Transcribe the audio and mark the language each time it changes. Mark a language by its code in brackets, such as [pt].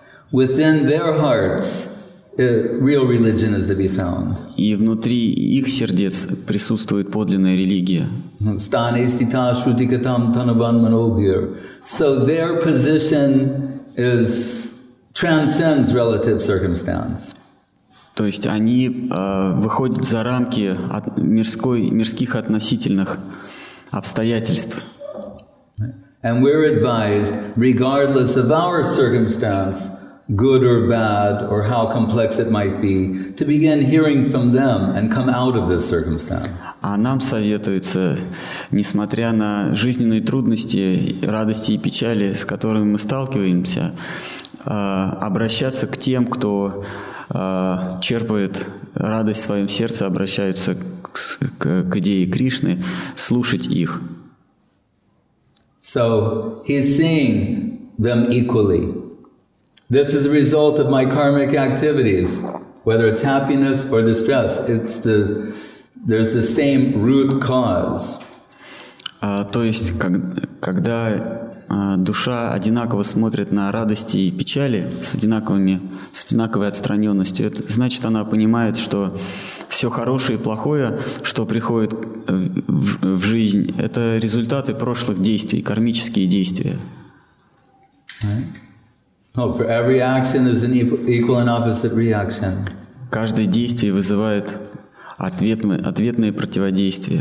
[en] Within their hearts, real religion is to be found. [ru] И внутри их сердец присутствует подлинная религия. [sa] Stane stita shruti katam tanavan manobhir. [en] So their position is transcends relative circumstance. [ru] То есть они выходят за рамки мирских относительных обстоятельств. [en] And we're advised, regardless of our circumstance, good or bad, or how complex it might be, to begin hearing from them and come out of this circumstance. [ru] А нам советуется, несмотря на жизненные трудности, радости и печали, с которыми мы сталкиваемся, обращаться к тем, кто черпает радость в своем сердце, обращается к идее Кришны, слушать их. [en] So he's seeing them equally. This is a result of my karmic activities, whether it's happiness or distress. There's the same root cause. [ru] То есть, когда душа одинаково смотрит на радости и печали с одинаковой отстраненностью, это значит, она понимает, что все хорошее и плохое, что приходит в жизнь, это результаты прошлых действий, кармические действия. [en] Right. Oh, for every action is an equal and opposite reaction. [ru] Каждое действие вызывает ответное противодействие.